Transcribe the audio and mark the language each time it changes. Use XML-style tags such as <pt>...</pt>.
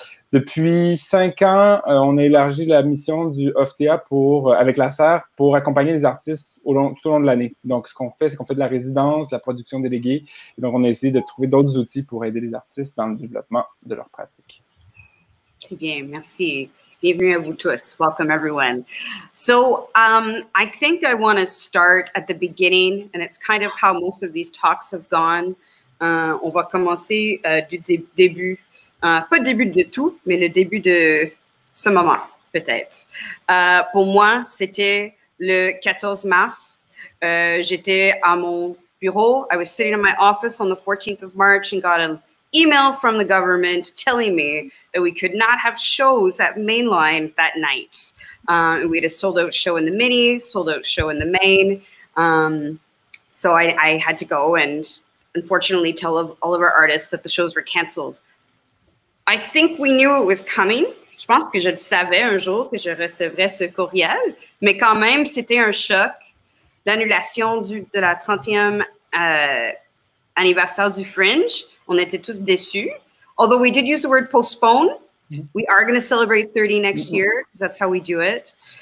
<fr>Depuis 5 ans, on a élargi la mission du OFTA avec la Serre pour accompagner les artistes tout au long de l'année. Donc, ce qu'on fait, c'est qu'on fait de la résidence, de la production déléguée. Et donc, on a essayé de trouver d'autres outils pour aider les artistes dans le développement de leur pratique. Très bien, merci. Bienvenue à vous tous.</fr> <en>Welcome, everyone. So, I think I want to start at the beginning, and it's kind of how most of these talks have gone.</en> <fr>On va commencer du début. Pas le début de tout, mais le début de ce moment, peut-être. Pour moi, c'était le 14 mars. J'étais à mon bureau.</fr> <en>I was sitting in my office on the 14th of March and got an email from the government telling me that we could not have shows at Mainline that night. We had a sold-out show in the mini, sold-out show in the main. So I had to go and unfortunately tell all of our artists that the shows were canceled. I think we knew it was coming.</en> <fr>Je pense que je le savais un jour que je recevrais ce courriel, mais quand même, c'était un choc. L'annulation de la 30e anniversaire du Fringe, on était tous déçus.</fr> <en>Although we did use the word postpone, we are going to celebrate 30 next year, because that's how we do it.</en>